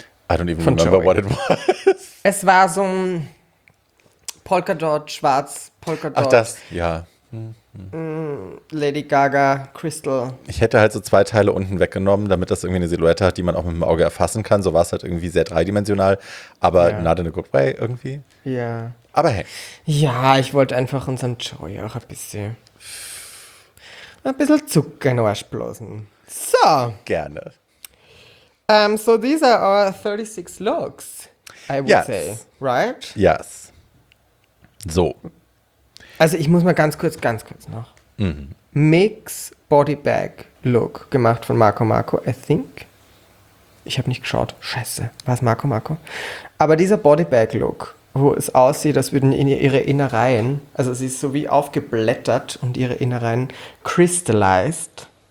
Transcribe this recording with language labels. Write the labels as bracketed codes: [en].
[en] I don't even remember Joey. What it was. [de] Es war so ein Polkadot, schwarz Polkadot. Ach das, ja. Lady Gaga, Crystal. Ich hätte halt so zwei Teile unten weggenommen, damit das irgendwie eine Silhouette hat, die man auch mit dem Auge erfassen kann. So war es halt irgendwie sehr dreidimensional, aber yeah. [en] Not in a good way irgendwie. Ja. Yeah. [de] Aber hey. Ja, ich wollte einfach unserem Joey auch ein bisschen Zucker in den Arsch blasen. So. Gerne. [en] So these are our 36 looks, I would say, right? Yes. So. [de] Also ich muss mal ganz kurz noch. Mm-hmm. Mix Body Bag Look gemacht von Marco, [en] I think. [de] Ich habe nicht geschaut. Scheiße. War es Marco? Aber dieser Body Bag Look, wo es aussieht, als würden ihre Innereien, also sie ist so wie aufgeblättert und ihre Innereien crystallized.